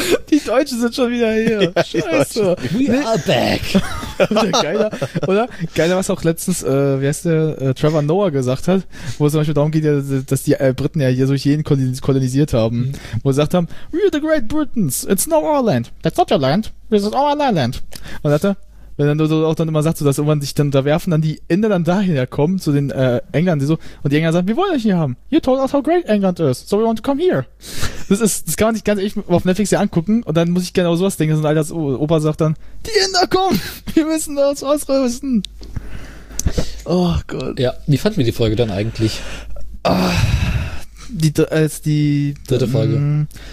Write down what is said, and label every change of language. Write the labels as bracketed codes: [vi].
[de] Die Deutschen sind schon wieder hier. Ja, Scheiße. [en] We are back. [de] Geiler, oder? Geiler, was auch letztens, wie heißt der, Trevor Noah gesagt hat, wo es zum Beispiel darum geht, dass die Briten ja hier so jeden kolonisiert haben. Mhm. Wo sie gesagt haben, [en] we are the great Britons, it's not our land. That's not your land, this is our land. [de] Und hatte, wenn dann so auch dann immer sagst, so, dass irgendwann sich dann da werfen, dann die Inder dann daher kommen zu den Engländern, die so, und die Engländer sagen, wir wollen euch hier haben. [en] You told us how great England is, so we want to come here. [de] Das kann man sich ganz ehrlich auf Netflix ja angucken und dann muss ich genau sowas denken. So ein alter Opa sagt dann, die Inder kommen, wir müssen uns ausrüsten. Oh Gott. Ja, wie fand mir die Folge dann eigentlich? Ah, die dritte Folge.